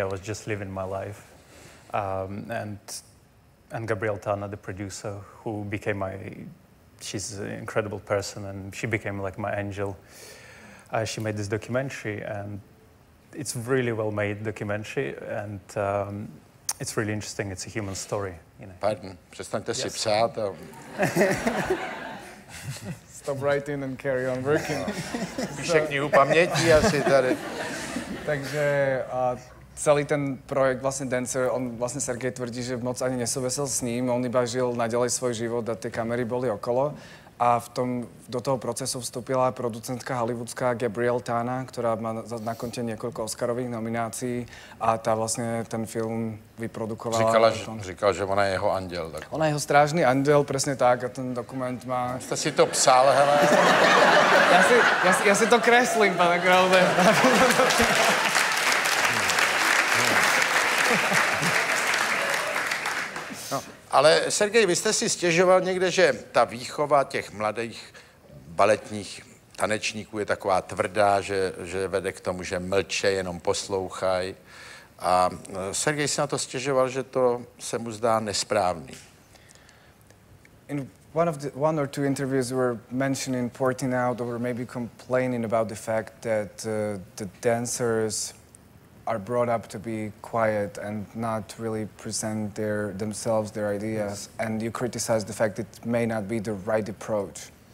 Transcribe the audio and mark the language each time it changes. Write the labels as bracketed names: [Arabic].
[English] I was just living my life. And Gabriel Tana, the producer, who became my... She's an incredible person, and she became like my angel. She made this documentary, and it's really well made documentary and it's really interesting. It's a human story, you know. [Czech] Pardon, přestaňte si psát. [English] Stop writing and carry on working. [Czech] Píše knihu paměti asi tady. Takže celý ten projekt, vlastně Dancer, on vlastně Sergej tvrdí, že moc ani nesouvisel s ním, [Slovak] on iba žil naďalej svoj život a ty kamery boli okolo. A v tom, do toho procesu vstúpila producentka hollywoodská Gabrielle Tana, ktorá má na konte niekoľko Oscarových nominácií a tá vlastne ten film vyprodukovala. [Czech] Říkala, že ona je jeho anjel. Tak... [Slovak] Ona je jeho strážny anjel, presne tak, a ten dokument má... [Czech] Ste si to psal, hele? Ja si to kreslím, pane Krause. Ale Sergej, vy jste si stěžoval někde, že ta výchova těch mladých baletních tanečníků je taková tvrdá, že vede k tomu, že mlče, jenom poslouchaj. A Sergej si na to stěžoval, že to se mu zdá nesprávný. [English] In one of the one or two interviews were mentioning pointing out or maybe complaining about the fact that the dancers are brought up to be quiet and not really present themselves, their ideas. Yes. And you criticize the fact it may not be the right approach.